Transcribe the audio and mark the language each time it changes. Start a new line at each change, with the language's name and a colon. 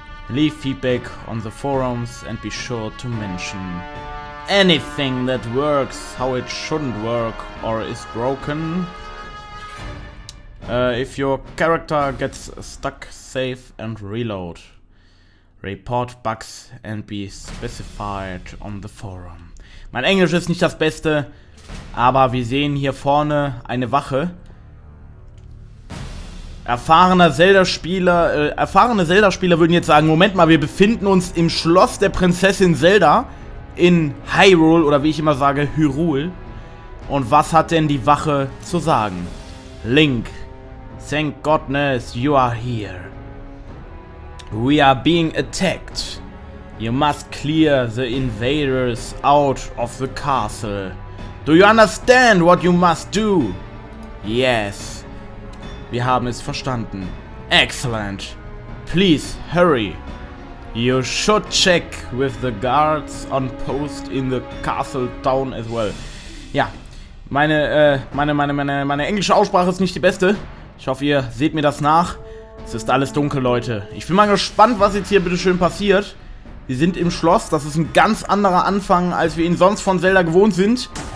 English: Leave feedback on the forums and be sure to mention anything that works, how it shouldn't work or is broken. If your character gets stuck, save and reload. Report bugs and be specified on the forum.
German: Mein Englisch ist nicht das Beste, aber wir sehen hier vorne eine Wache. Erfahrene Zelda-Spieler würden jetzt sagen, Moment mal, wir befinden uns im Schloss der Prinzessin Zelda in Hyrule, oder wie ich immer sage, Hyrule. Und was hat denn die Wache zu sagen?
English: Link, thank goodness you are here. We are being attacked. You must clear the invaders out of the castle. Do you understand what you must do? Yes.
German: Wir haben es verstanden.
English: Excellent. Please hurry. You should check with the guards on post in the castle town as well.
German: Ja, meine englische Aussprache ist nicht die beste. Ich hoffe, ihr seht mir das nach. Es ist alles dunkel, Leute. Ich bin mal gespannt, was jetzt hier bitteschön passiert. Wir sind im Schloss. Das ist ein ganz anderer Anfang, als wir ihn sonst von Zelda gewohnt sind.